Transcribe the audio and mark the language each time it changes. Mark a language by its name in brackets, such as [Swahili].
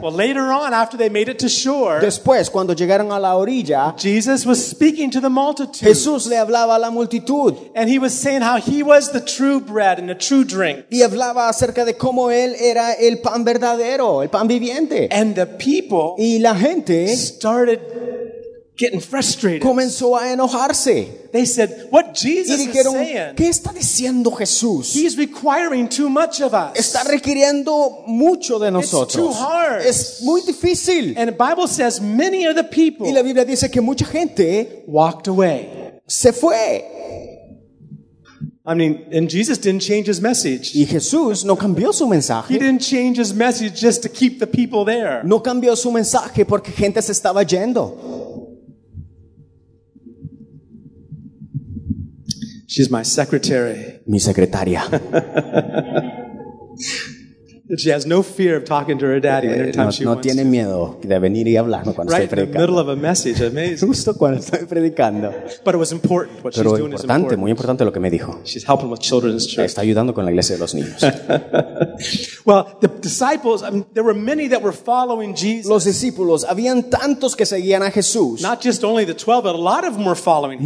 [English] Well, later on, after they made it to shore. [Spanish] Después, cuando llegaron a la orilla. [English] Jesus was speaking to the multitude. [Spanish] Jesús le hablaba a la multitud. [English] And he was saying how he was the true bread and the true drink. [Spanish] Y hablaba acerca de cómo él era el pan verdadero, el pan viviente. [English] And the people. [Spanish] Y la gente [English] started getting frustrated. [Spanish] Comenzó a enojarse. [English] They said, "What Jesus [Spanish] y dijeron, [English] is saying? [Spanish] ¿Qué está diciendo Jesús? [English] He's requiring too much of us. [Spanish] Está requiriendo mucho de nosotros. [English] It's too hard. [Spanish] Es muy difícil." [English] And the Bible says many of the people [Spanish] y la Biblia dice que mucha gente [English] walked away. [Spanish] Se fue. [English] I mean, and Jesus didn't change his message. [Spanish] Y Jesús no cambió su mensaje. [English] He didn't change his message just to keep the people there. [Spanish] No cambió su mensaje porque gente se estaba yendo. [English] She's my secretary. [Spanish] Mi secretaria. [English] She has no fear of talking to her daddy anytime she wants. [Spanish] No tiene miedo de venir y hablarme cuando [English] right [Spanish] estoy predicando. [English] Right in the middle of a message, amazing. [Spanish] Justo cuando estoy predicando. [English] But it was important. What [Spanish] pero [English] she's doing is important. [Spanish] Muy importante lo que me dijo. [English] She's helping with children's church. [Spanish] Está ayudando con la iglesia de los niños. [English] Well, the disciples, I mean, there were many that were following Jesus. [Spanish] Los discípulos, habían tantos que seguían a Jesús. [English] Not just only the 12, but a lot of them were following him.